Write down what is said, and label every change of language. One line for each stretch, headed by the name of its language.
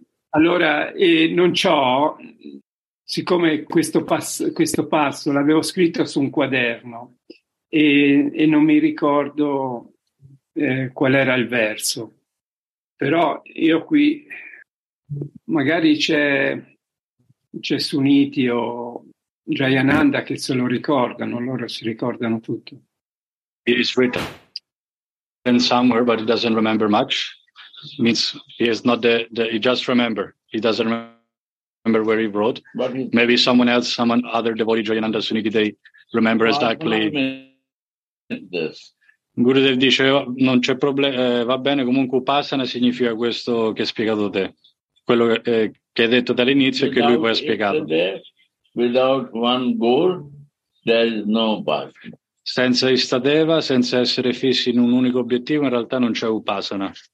Italian: Allora, non c'ho, siccome questo passo l'avevo scritto su un quaderno e non mi ricordo qual era il verso. Però io qui... Magari c'è Suniti o Jayananda che se lo ricordano, loro si ricordano tutto.
English: It is written somewhere, but he doesn't remember much. Means he is not the he just remember. He doesn't remember where he wrote. But maybe someone other devotee, Jayananda, Suniti, they remember exactly.
Italian: Gurudev dice non c'è problema, va bene, comunque Upasana significa questo che hai spiegato te. Quello che hai detto dall'inizio e che lui poi ha spiegato.
English: Without one goal, there is no path.
Italian: Senza istadeva, senza essere fissi in un unico obiettivo, in realtà non c'è upasana.